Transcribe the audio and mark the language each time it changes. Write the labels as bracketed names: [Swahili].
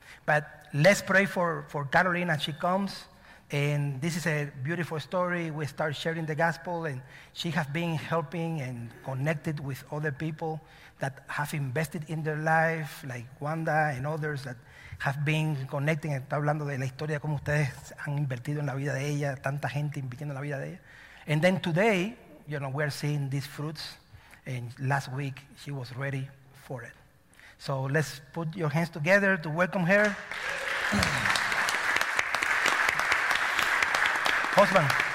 [English] But let's pray for Caroline as she comes. And this is a beautiful story. We start sharing the gospel, and she has been helping and connected with other people that have invested in their life, like Wanda and others that have been connecting. [Spanish] Está hablando de la historia, cómo ustedes han invertido en la vida de ella, tanta gente invirtiendo en la vida de ella. [English] And then today, you know, we are seeing these fruits, and last week she was ready for it. So let's put your hands together to welcome her. Husband.